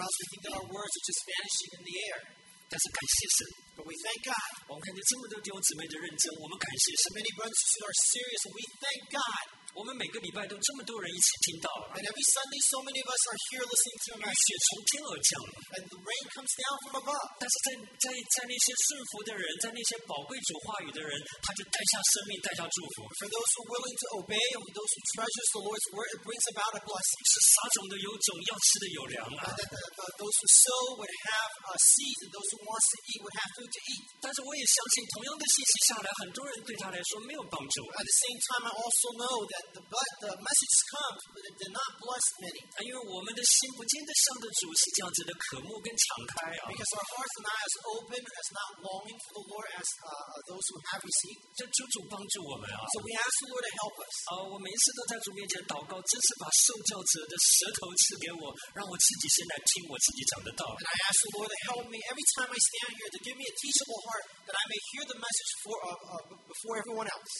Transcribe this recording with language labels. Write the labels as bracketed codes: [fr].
[en] else we think that our words are just vanishing in the air. [zh] 但是感谢神, [en] but we thank God. [zh] 我们看见这么多弟兄姊妹的认真, 我们感谢神。 [en] Many brothers who are serious, we thank God. [zh] 我们每个礼拜都这么多人一起听到, [en] and every Sunday, so many of us are here listening to a message. [zh] 雨雪从天而降, [en] and the rain comes down from above. [zh] 但是在那些顺服的人，在那些宝贵主话语的人, 他就带下生命, 带下祝福。 [en] For those who are willing to obey and those who treasure the Lord's word, it brings about a blessing. [zh] 是撒种的有种, 要吃的有粮啊。 [en] Those who sow would have a seed, and those who want to eat would have food to eat. [zh] 但是我也相信同样的信息下来, 很多人对他来说没有帮助。 [en] At the same time, I also know that the message comes, but it did not bless many. [zh] 因为我们的心不见得像的主是这样子的渴慕跟敞开, [en] because our hearts are not as open, as not longing for the Lord as those who have received. [zh] 主帮助我们, [en] so we ask the Lord to help us. [zh] 我每一次都在主面前祷告, 真是把受教者的舌头赐给我, 让我自己先来听我。 [en] And I ask the Lord to help me every time I stand here to give me a teachable heart that I may hear the message for, before everyone else.